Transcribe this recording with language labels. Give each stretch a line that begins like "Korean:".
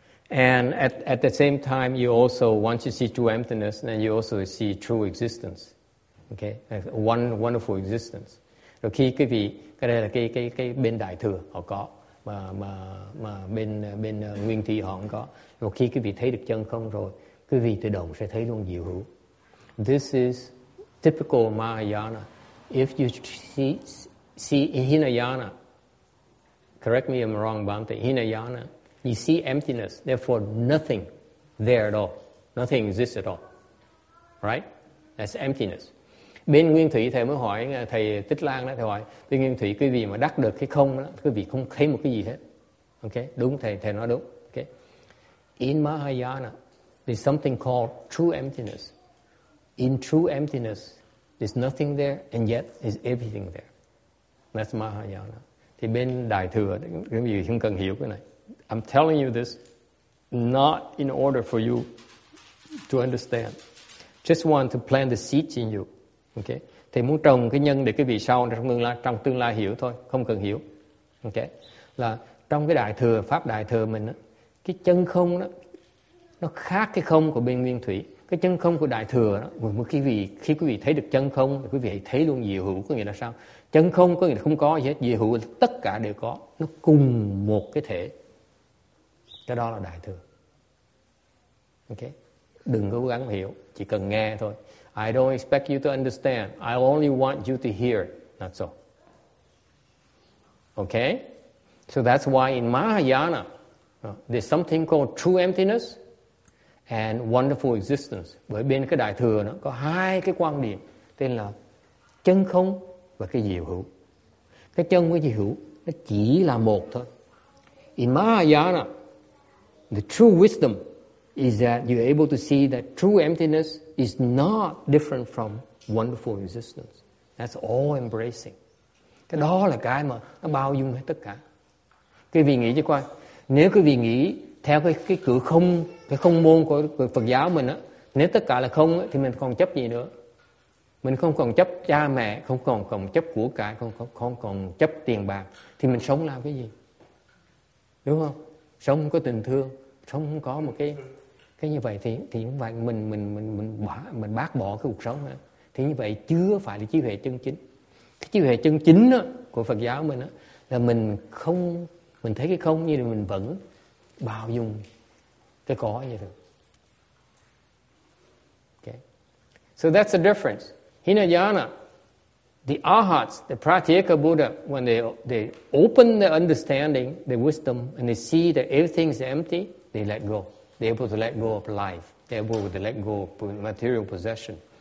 English: And at the same time, you also, once you see true emptiness, then you also see true existence. Okay? One wonderful existence.
Vietnamese: Rồi khi quý vị, cái đây là cái bên đại thừa họ có, mà bên nguyên thủy họ không có. Rồi khi quý vị thấy được chân không rồi, quý vị tự động sẽ thấy luôn diệu hữu.
English: This is typical Mahayana. If you see Hinayana, correct me if I'm wrong, Bhante, Hinayana, you see emptiness, therefore nothing there at all. Nothing exists at all. Right? That's emptiness.
Vietnamese: Bên Nguyên Thủy, thầy mới hỏi, thầy Tích Lan đó, thầy hỏi, bên Nguyên Thủy, quý vị mà đắc được cái không đó, quý vị không thấy một cái gì hết. Okay? Đúng, thầy nói đúng. Okay?
English: In Mahayana, there's something called true emptiness. In true emptiness, there's nothing there, and yet there's everything there. That's Mahayana.
Vietnamese: Thì bên Đại Thừa, quý vị không cần hiểu cái này.
English: I'm telling you this not in order for you to understand. Just want to plant the seeds in you. Okay?
Vietnamese: Thì muốn trồng cái nhân để cái vị sau trong tương lai hiểu thôi, không cần hiểu. Okay? Là trong cái đại thừa, pháp đại thừa mình á, cái chân không đó nó khác cái không của bên nguyên thủy. Cái chân không của đại thừa đó, một khi quý vị thấy được chân không thì quý vị hãy thấy luôn diệu hữu, có nghĩa là sao? Chân không có nghĩa là không có gì hết, diệu hữu là tất cả đều có, nó cùng một cái thể. Cái đó là đại thừa. Okay. Đừng cố gắng hiểu, chỉ cần nghe thôi.
English: I don't expect you to understand. I only want you to hear. That's all. Okay? So that's why in Mahayana, there's something called true emptiness and wonderful existence.
Vietnamese: Bởi bên cái đại thừa nó có hai cái quan điểm, tên là chân không và cái diệu hữu. Cái chân với diệu hữu nó chỉ là một thôi.
English: In Mahayana, the true wisdom is that you're able to see that true emptiness is not different from wonderful existence. That's all embracing.
Vietnamese: Cái đó là cái mà nó bao dung hết tất cả. Quý vị nghĩ cho coi, nếu quý vị nghĩ theo cái cửa không, cái không môn của Phật giáo mình á, nếu tất cả là không thì mình còn chấp gì nữa? Mình không còn chấp cha mẹ, không còn chấp của cải, không còn chấp tiền bạc, thì mình sống làm cái gì? đúng không? Sống có tình thương, sống có một cái như vậy thì như vậy mình bác bỏ cái cuộc sống đó. Thì như vậy chưa phải là trí huệ chân chính. Cái trí huệ chân chính đó, của Phật giáo mình đó, là mình không, mình thấy cái không như là mình vẫn bao dung cái có như thế.
English: Okay. So that's the difference. Hinayana, the arhats, the pratyeka Buddha, when they open their understanding, their wisdom, and they see that everything is empty, they let go. They're able to let go of life. They're able to let go of material possession.